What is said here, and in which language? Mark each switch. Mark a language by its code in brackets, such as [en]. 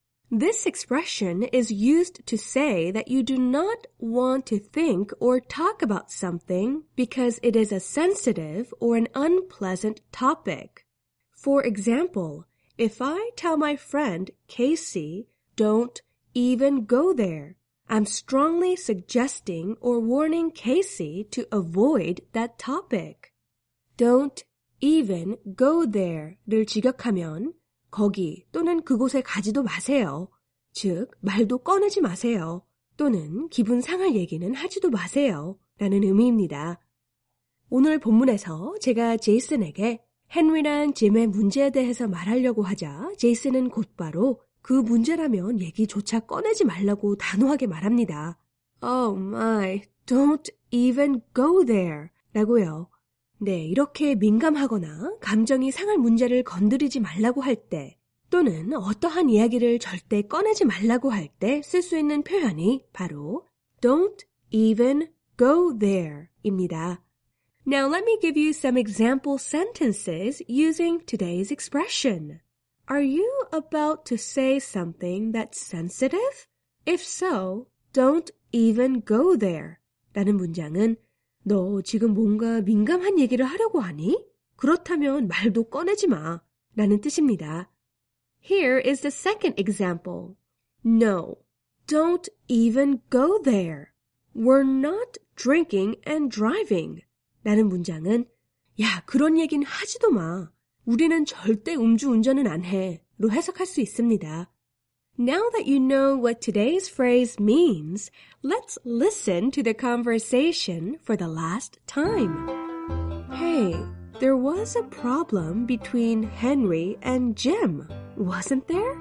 [en] This expression is used to say that you do not want to think or talk about something because it is a sensitive or an unpleasant topic. For example, if I tell my friend, Casey, don't even go there, I'm strongly suggesting or warning Casey to avoid that topic. Don't even go there [ko] 를 직역하면 거기 또는 그곳에 가지도 마세요. 즉, 말도 꺼내지 마세요. 또는 기분 상할 얘기는 하지도 마세요. 라는 의미입니다. 오늘 본문에서 제가 제이슨에게 헨리랑 짐의 문제에 대해서 말하려고 하자 제이슨은 곧바로 그 문제라면 얘기조차 꺼내지 말라고 단호하게 말합니다. [en] Oh my, don't even go there. [ko] 라고요. 네, 이렇게 민감하거나 감정이 상할 문제를 건드리지 말라고 할 때 또는 어떠한 이야기를 절대 꺼내지 말라고 할 때 쓸 수 있는 표현이 바로 [en] don't even go there [ko] 입니다. [en] Now let me give you some example sentences using today's expression. Are you about to say something that's sensitive? If so, don't even go there. [ko] 라는 문장은 너 지금 뭔가 민감한 얘기를 하려고 하니? 그렇다면 말도 꺼내지 마. 라는 뜻입니다. [en] Here is the second example. No, don't even go there. We're not drinking and driving. [ko] 라는 문장은 야, 그런 얘긴 하지도 마. 우리는 절대 음주운전은 안 해. 로 해석할 수 있습니다. [en] Now that you know what today's phrase means, let's listen to the conversation for the last time. Hey, there was a problem between Henry and Jim, wasn't there?